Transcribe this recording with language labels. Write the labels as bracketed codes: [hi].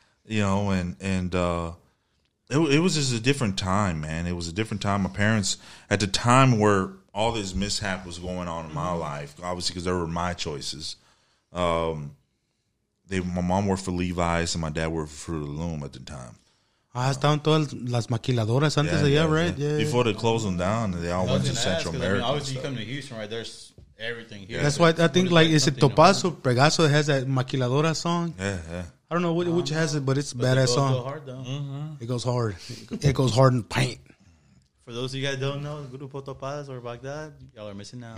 [en] You know, it was just a different time, man. It was a different time. My parents, at the time where all this mishap was going on in my life, obviously because they were my choices. My mom worked for Levi's and my dad worked for Fruit of the Loom at the time. [es] Estaban todas las maquiladoras antes de allá, [en] right? Yeah. Before they closed them down, they all went to Central America. I mean, obviously, you come to Houston, right? There's everything here. Yeah. That's why I think, like, is it Topazo, Pregaso that has that maquiladora song? Yeah. I don't know which has it, but it's a badass song. It goes hard, though. Mm-hmm. It goes hard. It goes hard in paint. For those of you guys that don't know, Grupo Topaz or Baghdad, y'all are missing out.